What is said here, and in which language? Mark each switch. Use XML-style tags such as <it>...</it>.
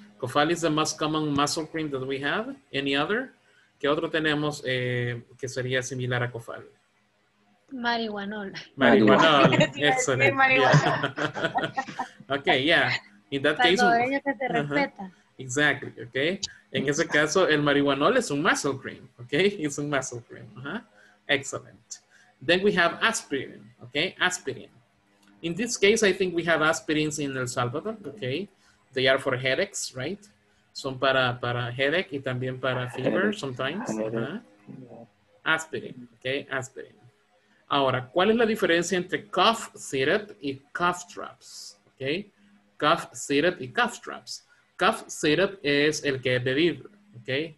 <en>Cofal is the most common muscle cream that we have. Any other?</en> <es>¿Qué otro tenemos que sería similar a Cofal? Marihuanol.</es> <en>Marihuanol. Excellent. Marihuanol. Yeah. Okay, yeah. In that</en> <es>cuando</es> <en>case.</en> <es>Ella se te respeta.</es> <en>Exactly, okay.</en> <es>En ese caso, el marihuanol es un</es> <en>muscle cream, okay? It's a muscle cream. Uh-huh. Excellent. Then we have aspirin, okay? Aspirin. In this case, I think we have aspirins in El Salvador, okay? They are for headaches, right?</en> <es>Son para headache y también para</es> <en>fever sometimes.</en> <es>Uh-huh.</es> <en>Aspirin, okay, aspirin.</en> <es>Ahora, ¿cuál es la diferencia entre cough syrup y cough drops?</es> <en>Okay, cough syrup y cough drops. Cough syrup</en> <es>es el que es bebido,</es> <en>okay?</en>